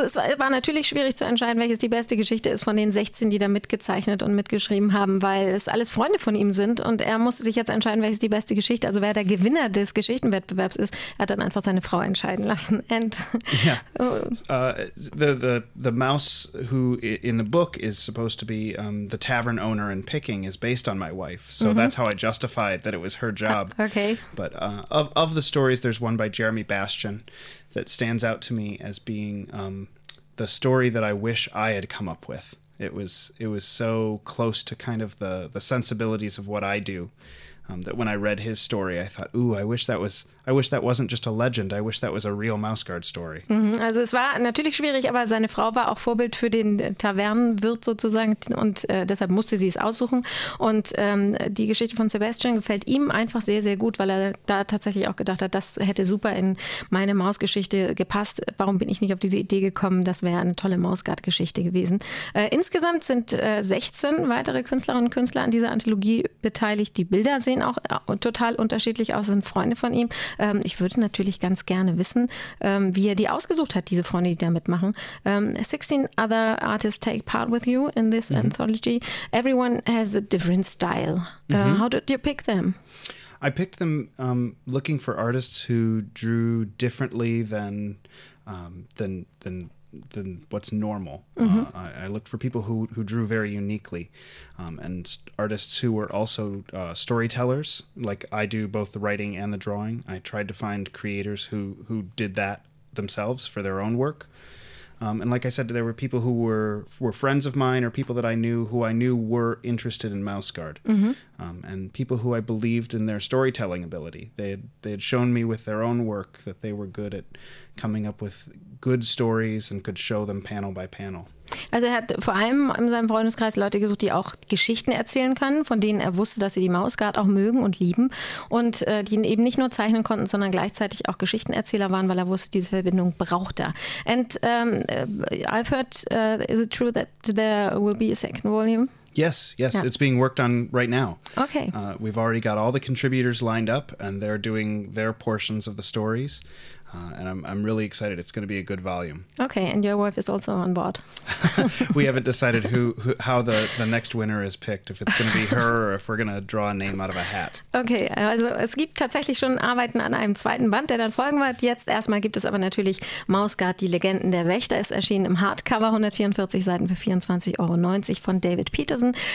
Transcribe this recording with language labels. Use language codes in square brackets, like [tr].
[de] es war natürlich schwierig zu entscheiden, welches die beste Geschichte ist von den 16, die da mitgezeichnet und mitgeschrieben haben, weil es alles Freunde von ihm sind und er musste sich jetzt entscheiden, welches die beste Geschichte, also wer der Gewinner des Geschichtenwettbewerbs ist, er hat dann einfach seine Frau entscheiden lassen. [en] And the mouse who in the book is supposed to be the tavern owner and picking is based on my wife, so mm-hmm. that's how I justified that it was her job. Okay. But of the stories, there's one by Jeremy Bastian that stands out to me as being the story that I wish I had come up with. It was so close to kind of the sensibilities of what I do That when I read his story, I thought, ooh, I wish that wasn't just a legend. I wish that was a real Mouse Guard story. [de] Also es war natürlich schwierig, aber seine Frau war auch Vorbild für den Tavernenwirt sozusagen und deshalb musste sie es aussuchen. Und die Geschichte von Sebastian gefällt ihm einfach sehr, sehr gut, weil er da tatsächlich auch gedacht hat, das hätte super in meine Mausgeschichte gepasst. Warum bin ich nicht auf diese Idee gekommen? Das wäre eine tolle Mouse Guard Geschichte gewesen. Insgesamt sind 16 weitere Künstlerinnen und Künstler an dieser Anthologie beteiligt. Die Bilder sehen auch total unterschiedlich aus, sind Freunde von ihm. Ich würde natürlich ganz gerne wissen, wie er die ausgesucht hat, diese Freunde, die da mitmachen. [en] 16 other artists take part with you in this mm-hmm. anthology. Everyone has a different style. Mm-hmm. How did you pick them? I picked them looking for artists who drew differently than what's normal. Mm-hmm. I looked for people who drew very uniquely, and artists who were also storytellers, like I do both the writing and the drawing. I tried to find creators who did that themselves for their own work. And like I said, there were people who were friends of mine or people that I knew who I knew were interested in Mouse Guard, mm-hmm. And people who I believed in their storytelling ability. They had shown me with their own work that they were good at coming up with good stories and could show them panel by panel. [de] Also er hat vor allem in seinem Freundeskreis Leute gesucht, die auch Geschichten erzählen können, von denen er wusste, dass sie die Mouse Guard auch mögen und lieben und die ihn eben nicht nur zeichnen konnten, sondern gleichzeitig auch Geschichtenerzähler waren, weil er wusste, diese Verbindung braucht er. [en] And I've heard, is it true that there will be a second volume? Yes, yeah. It's being worked on right now. Okay. We've already got all the contributors lined up and they're doing their portions of the stories. And I'm really excited. It's going to be a good volume. Okay, and your wife is also on board. We haven't decided how the next winner is picked, if it's going to be her or if we're going to draw a name out of a hat. [de] Okay, also es gibt tatsächlich schon Arbeiten an einem zweiten Band, der dann folgen wird. Jetzt erstmal gibt es aber natürlich Mouse Guard, die Legenden der Wächter. Ist erschienen im Hardcover, 144 Seiten für 24,90 € von David Peterson.